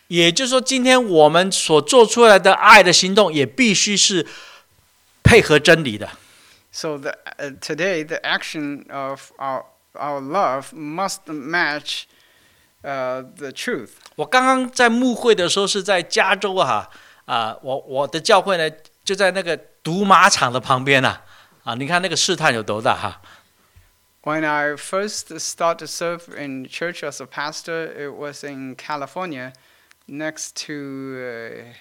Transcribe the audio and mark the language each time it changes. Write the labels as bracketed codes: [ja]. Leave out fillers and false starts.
[zh] 也就是说，今天我们所做出来的爱的行动也必须是配合真理的。 [en] So the today the action of our love must match the truth. [zh] 我刚刚在牧会的时候是在加州哈啊，我的教会呢就在那个赌马场的旁边呐 啊，你看那个试探有多大哈。 [en] When I first started to serve in church as a pastor, it was in California, next to